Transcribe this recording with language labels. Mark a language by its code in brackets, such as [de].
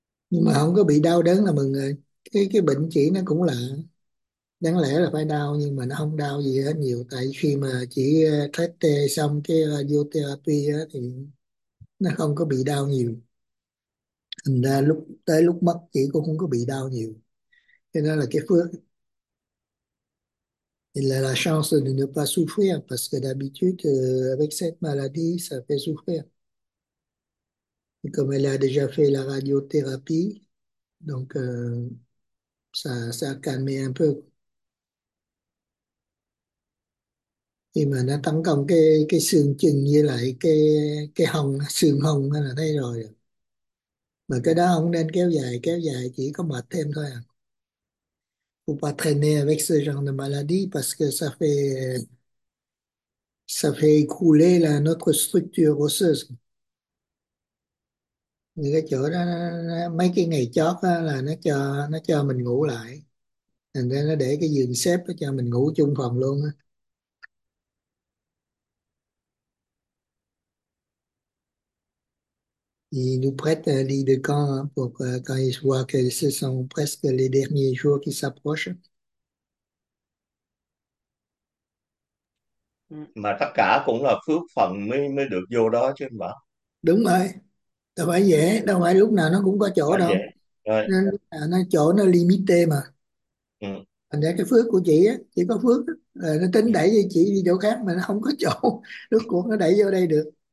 [vi] Nhưng mà không có bị đau đớn là mừng rồi. Cái bệnh chị nó cũng lạ, đáng lẽ là phải đau nhưng mà nó không đau gì hết nhiều, tại khi mà chị thay tê xong cái vô therapy thì nó không có bị đau nhiều, thành ra lúc tới lúc mất chị cũng không có bị đau nhiều, cho nên là cái phước thì là [fr] chance de ne pas souffrir parce que d'habitude avec cette maladie ça fait souffrir. Comme elle a déjà fait la radiothérapie, donc ça a calmé un peu. [vi] Khi mà nó tấn công cái xương chừng với lại cái hồng, xương hồng là thấy rồi. Mà cái đó không nên kéo dài chỉ có mệt thêm thôi à. [fr] Faut pas traîner avec ce genre de maladie parce que ça fait couler la notre structure osseuse. [vi] Những cái chỗ đó mấy cái ngày chót đó, là nó cho mình ngủ lại, thành ra nó để cái giường xếp nó cho mình ngủ chung phòng luôn á. [fr] Il nous prête un lit de camp pour quand il voit que ce sont presque les derniers jours qui s'approchent. [vi] Mà tất cả cũng là phước phần mới mới được vô đó chứ mà. Đúng rồi, đâu phải dễ, đâu phải lúc nào nó cũng có chỗ Phải đâu, vậy. nên là nó chỗ nó limité mà, Rồi. thành ra cái phước của chị á, chỉ có phước là nó tính đẩy cho chị đi chỗ khác mà nó không có chỗ, rốt cuộc nó đẩy vô đây được.